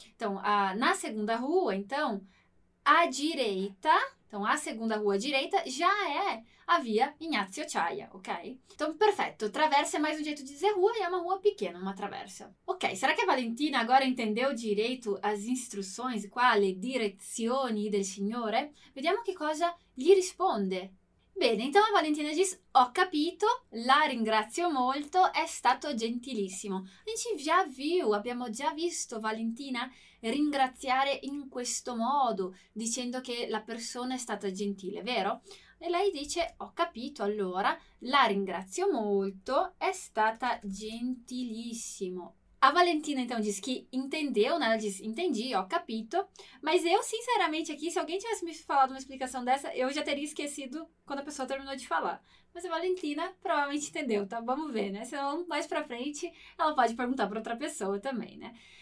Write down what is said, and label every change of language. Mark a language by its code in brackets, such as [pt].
[pt] Então na segunda rua, então à direita, então a segunda rua à direita já é a via Ignazio Chaia, ok? Então, perfeito. Traversa é mais um jeito de dizer rua e é uma rua pequena, uma traversa. Ok, será que a Valentina agora entendeu direito as instruções? [it] Quale direzioni del signore? Vediamo che cosa gli risponde. [pt] Bene, então a Valentina diz: [it] ho capito, la ringrazio molto, è stato gentilissimo. A gente già viu, abbiamo già visto Valentina ringraziare in questo modo, dicendo che la persona è stata gentile, vero? E lei dice: ho capito, allora la ringrazio molto, è stata gentilissimo. [pt] A Valentina então diz que entendeu, né? Ela diz: entendi, [it] ho capito. [pt] Mas eu, sinceramente, aqui, se alguém tivesse me falado uma explicação dessa, eu já teria esquecido quando a pessoa terminou de falar. Mas a Valentina provavelmente entendeu, tá? Vamos ver, né? Senão, mais pra frente, ela pode perguntar para outra pessoa também, né?